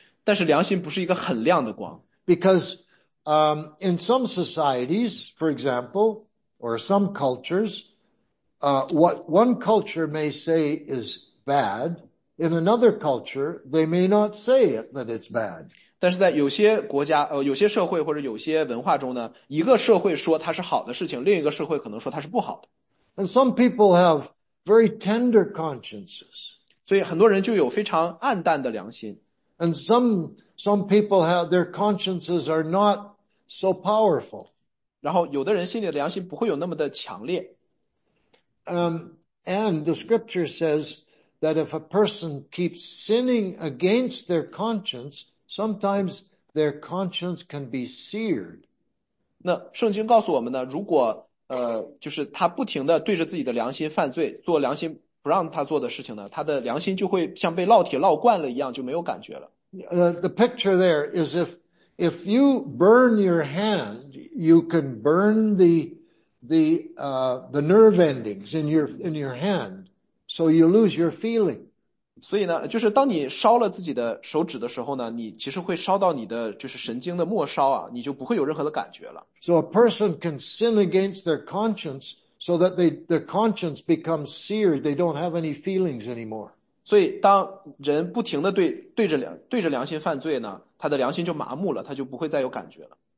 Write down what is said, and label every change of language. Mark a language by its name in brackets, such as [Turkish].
[Chinese] 但是良心不是一个很亮的光。 [English] Because, in some societies, for example, or some cultures, what one culture may say is bad, in another culture, they may not say it that it's bad. [Chinese] 但是在有些国家、有些社会或者有些文化中呢，一个社会说它是好的事情，另一个社会可能说它是不好的。 [English] And some people have very tender consciences. [Chinese] 所以很多人就有非常暗淡的良心。 [English] And some people have their consciences are not so powerful. [Chinese] 然后，有的人心里的良心不会有那么的强烈。 [English] And the scripture says that if a person keeps sinning against their conscience, sometimes their conscience can be seared. [Chinese] 那圣经告诉我们呢，如果就是他不停的对着自己的良心犯罪，做良心不让他做的事情呢，他的良心就会像被烙铁烙惯了一样，就没有感觉了。 [English] The picture there is if you burn your hand, you can burn the nerve endings in your hand. So you lose your feeling. [Chinese] 所以呢，就是当你烧了自己的手指的时候呢，你其实会烧到你的就是神经的末梢啊，你就不会有任何的感觉了。 [English] So a person can sin against their conscience so that their conscience becomes seared. They don't have any feelings anymore. [Chinese] 所以当人不停的对着良心犯罪呢，他的良心就麻木了，他就不会再有感觉了。